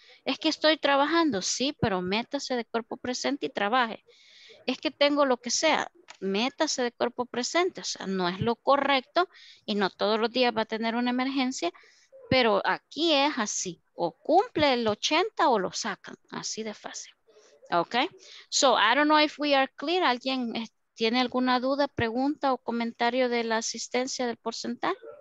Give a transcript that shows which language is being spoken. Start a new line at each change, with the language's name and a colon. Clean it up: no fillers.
Spanish: Es que estoy trabajando, sí, pero métase de cuerpo presente y trabaje. Es que tengo lo que sea, métase de cuerpo presente. O sea, no es lo correcto y no todos los días va a tener una emergencia, pero aquí es así, o cumple el 80 o lo sacan, así de fácil.
English: Ok, so I don't know if we are clear.
Spanish: ¿Alguien tiene alguna duda, pregunta o comentario de la asistencia del porcentaje?